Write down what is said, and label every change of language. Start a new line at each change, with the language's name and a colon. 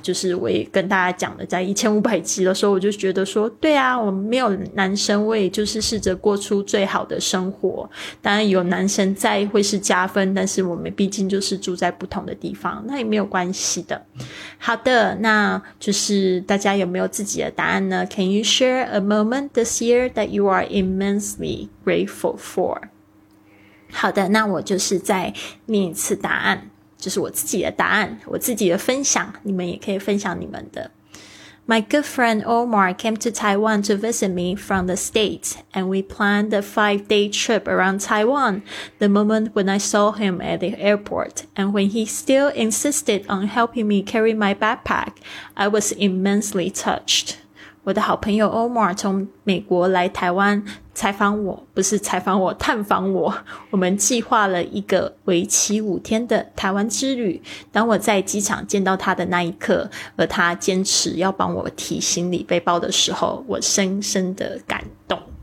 Chinese: 就是我也跟大家讲的，在1500集的时候我就觉得说，对啊，我没有男生，我也就是试着过出最好的生活，当然有男生在会是加分，但是我们毕竟就是住在不同的地方，那也没有关系的。好的，那就是大家有没有自己的答案呢？
English: Can you share a moment this year that you are immensely grateful for？
Chinese: 好的，那我就是再念一次答案，就是我自己的答案，我自己的分享，你们也可以分享你们的。
English: My good friend Omar came to Taiwan to visit me from the States, and we planned a 5-day trip around Taiwan. The moment when I saw him at the airport, and when he still insisted on helping me carry my backpack, I was immensely touched.
Chinese: 我的好朋友 Omar 从美国来台湾采访我，不是采访我，探访我。我们计划了一个为期五天的台湾之旅。当我在机场见到他的那一刻，而他坚持要帮我提行李背包的时候，我深深的感动。